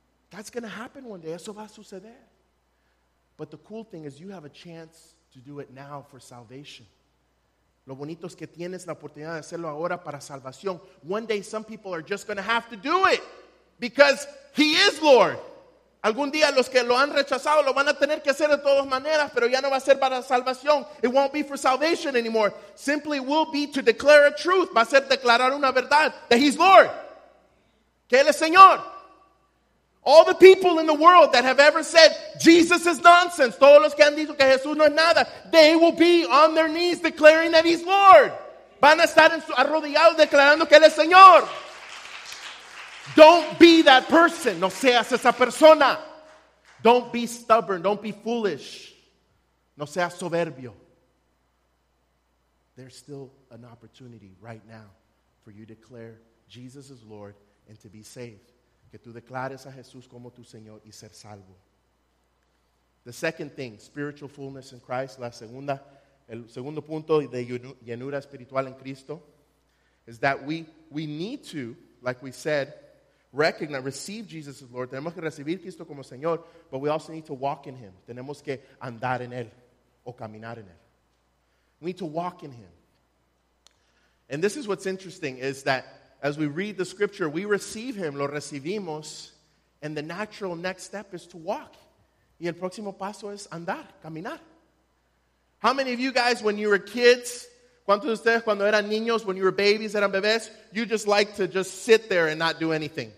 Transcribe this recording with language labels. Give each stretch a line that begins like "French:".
English: That's going to happen one day.
Spanish: Eso va a suceder.
English: But the cool thing is you have a chance to do it now for salvation.
Spanish: Lo bonito es que tienes la oportunidad de hacerlo ahora para salvación.
English: One day some people are just going to have to do it because he is Lord.
Spanish: Algún día los que lo han rechazado lo van a tener que hacer de todas maneras, pero ya no va a ser para salvación.
English: It won't be for salvation anymore. Simply will be to declare a truth.
Spanish: Va a ser declarar una verdad.
English: That he's Lord.
Spanish: Que él es Señor.
English: All the people in the world that have ever said Jesus is nonsense,
Spanish: todos los que han dicho que Jesús no es nada,
English: they will be on their knees declaring that he's Lord.
Spanish: Van a estar en su arrodillado declarando que él es Señor.
English: Don't be that person.
Spanish: No seas esa persona.
English: Don't be stubborn. Don't be foolish.
Spanish: No seas soberbio.
English: There's still an opportunity right now for you to declare Jesus is Lord and to be saved.
Spanish: Que tú declares a Jesús como tu Señor y ser salvo.
English: The second thing, spiritual fullness in Christ.
Spanish: La segunda, el segundo punto de llenura espiritual en Cristo
English: is that we need to, like we said, recognize, receive Jesus as Lord.
Spanish: Tenemos que recibir Cristo como Señor,
English: but we also need to walk in him.
Spanish: Tenemos que andar en él o caminar en él.
English: We need to walk in him. And this is what's interesting is that as we read the scripture, we receive him,
Spanish: lo recibimos,
English: and the natural next step is to walk.
Spanish: Y el próximo paso es andar, caminar.
English: How many of you guys, when you were kids,
Spanish: ¿cuántos de ustedes cuando eran niños,
English: when you were babies,
Spanish: eran bebés,
English: you just liked to just sit there and not do anything?